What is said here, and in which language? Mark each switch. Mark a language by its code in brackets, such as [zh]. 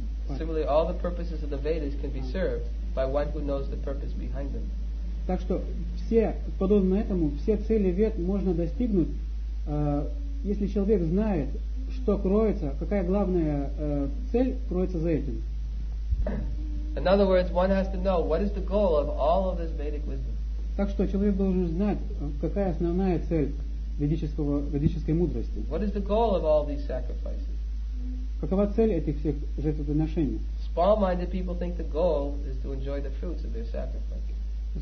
[en] Similarly, all the purposes of the Vedas can be served by one who knows the purpose behind them. [ru] Так что все, подобно этому, все цели Вед можно достигнуть, если человек знает, что кроется, какая главная цель кроется за этим. [en] In other words, one has to know what is the goal of all of this Vedic wisdom. [ru] Так что человек должен знать, какая основная цель ведической мудрости. [en] What is the goal of all these sacrifices? [ru] Какова цель этих всех жертвоприношений? [en] Small-minded people think the goal is to enjoy the fruits of their sacrifices.